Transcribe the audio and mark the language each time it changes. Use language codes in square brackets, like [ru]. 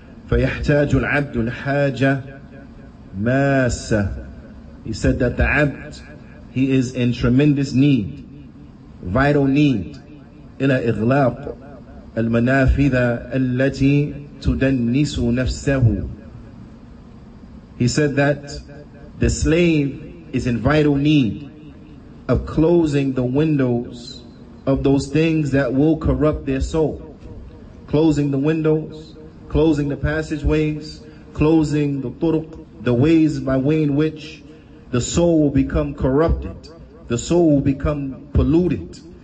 [ar] فيحتاج العبد الحاجة ماسة. [en] He said that the abd, he is in tremendous need, vital need. [ar] إلى إغلاق المنافذ التي تدنس نفسه. [en] He said that the slave is in vital need of closing the windows of those things that will corrupt their soul. Closing the windows, closing the passageways, closing the turuq, the ways by way in which the soul will become corrupted, the soul will become polluted.